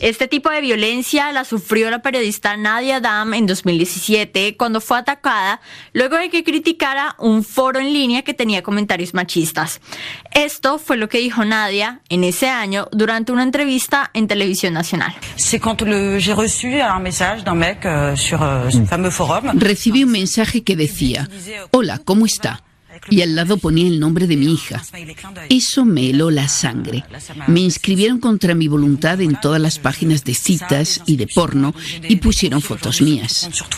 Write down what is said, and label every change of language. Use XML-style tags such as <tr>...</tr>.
<es>Este tipo de violencia la sufrió la periodista Nadia Adam en 2017 cuando fue atacada luego de que criticara un foro en línea que tenía comentarios machistas. Esto fue lo que dijo Nadia en ese año durante una entrevista en Televisión Nacional.</es> <fr>C'est quand j'ai reçu un message d'un mec sur ce fameux forum.</fr> <es>Recibí un mensaje que decía: "Hola, ¿cómo está?" Y al lado ponía el nombre de mi hija. Eso me heló la sangre. Me inscribieron contra mi voluntad en todas las páginas de citas y de porno y pusieron fotos mías.</es>